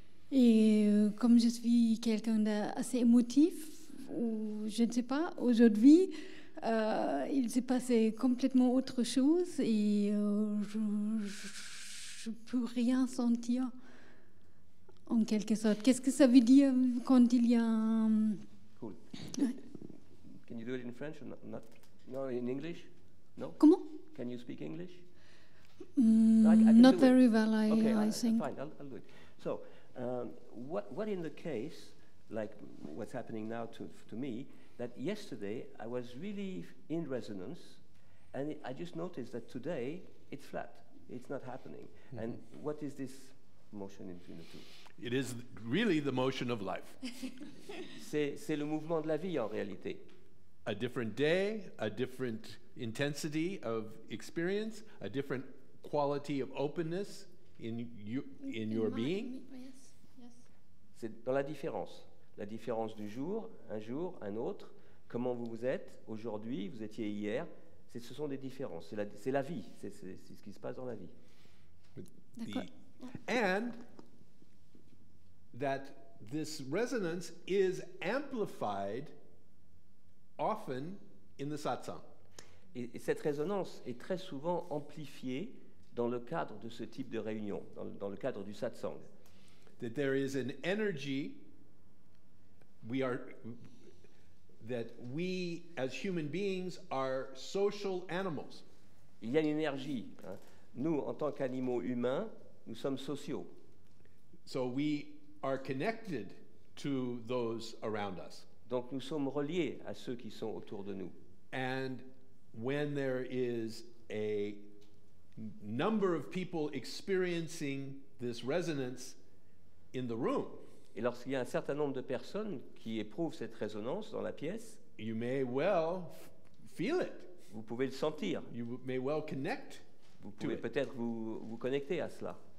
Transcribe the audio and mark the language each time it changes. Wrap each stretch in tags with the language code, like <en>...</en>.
<fr>Et comme je suis quelqu'un d'assez émotif, ou je ne sais pas, aujourd'hui, il s'est passé complètement autre chose et je ne peux rien sentir, en quelque sorte. Qu'est-ce que ça veut dire quand il y a un...</fr> <en>Cool. Can you do it in French or not? No, in English? No?</en> <fr>Comment?</fr> <en>Can you speak English? Not very well, okay, I think. Okay, fine, I'll do it. So, what in the case, like what's happening now to me, that yesterday I was really in resonance, and I just noticed that today it's flat, it's not happening. Mm-hmm. And what is this motion in between the two? It is really the motion of life.</en> <fr>C'est le mouvement de la vie en réalité.</fr> <en>A different day, a different intensity of experience, a different quality of openness in your being. Yes.</en> <fr>C'est dans la différence du jour, un jour, un autre. Comment vous êtes aujourd'hui, vous étiez hier. Ce sont des différences. C'est la vie. C'est ce qui se passe dans la vie. D'accord.</fr> <en>And that this resonance is amplified often in the satsang.</en> <fr>Et cette résonance est très souvent amplifiée dans le cadre de ce type de réunion, dans le cadre du satsang.</fr> <en>That there is an energy that we as human beings are social animals.</en> <fr>Il y a une énergie, hein. Nous en tant qu'animaux humains, nous sommes sociaux.</fr> <en>So we are connected to those around us.</en> <fr>Donc nous sommes reliés à ceux qui sont autour de nous.</fr> <en>And when there is a number of people experiencing this resonance in the room,</en> <fr>et lorsqu'il y a un certain nombre de personnes qui éprouvent cette résonance dans la pièce,</fr> <en>you may well feel it.</en> <fr>Vous pouvez le sentir.</fr> <en>You may well connect.</en> <fr>Vous pouvez peut-être vous connecter à cela.</fr>